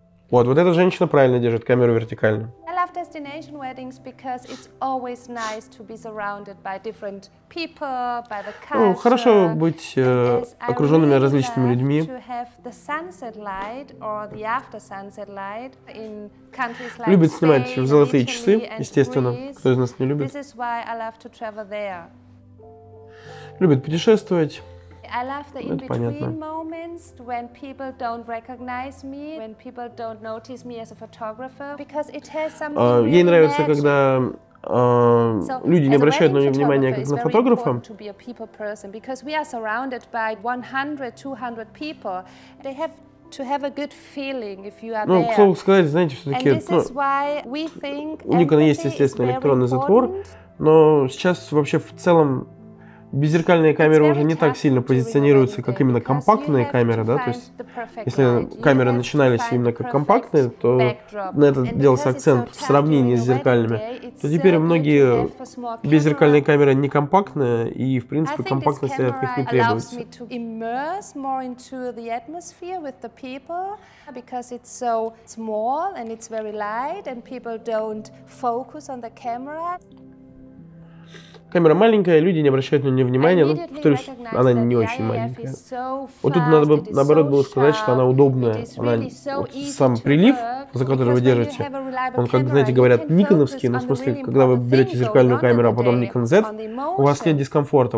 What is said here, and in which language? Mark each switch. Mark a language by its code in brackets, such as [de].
[ru] Вот эта женщина правильно держит камеру вертикально. [en] I love destination weddings because it's always nice to be surrounded by different people, by the culture. [ru] Ну, хорошо быть окруженными различными людьми. Любит снимать в золотые часы, естественно. Кто из нас не любит? [en] This is why I love to travel there. [ru] любит путешествовать. [en] I love the in-between moments when people don't recognize me, when people don't notice me as a photographer, because it has something really [ru] ей нравится, magic. Когда люди не обращают на нее внимания, как на фотографа. [en] To be a people person, because we are surrounded by 100, 200 people. They have to have a good feeling if you are there. [ru] Ну, к слову сказать, знаете, все-таки, у Никона есть, естественно, электронный затвор, но сейчас вообще в целом беззеркальные камеры уже не так сильно позиционируются, как именно компактные камеры, да, то есть если камеры начинались именно как компактные, то на это делался акцент в сравнении с зеркальными, то теперь многие беззеркальные камеры не компактные, и в принципе компактности от них не требуется. [en] Because it's so small and it's very light and people don't focus on the camera. [ru] Камера маленькая, люди не обращают на нее внимания, но, повторюсь, она не очень маленькая. Вот тут надо бы, наоборот, было сказать, что она удобная. Она, вот сам прилив, за который вы держите, он, как, знаете, говорят, никоновский, но, в смысле, когда вы берете зеркальную камеру, а потом Nikon Z, у вас нет дискомфорта.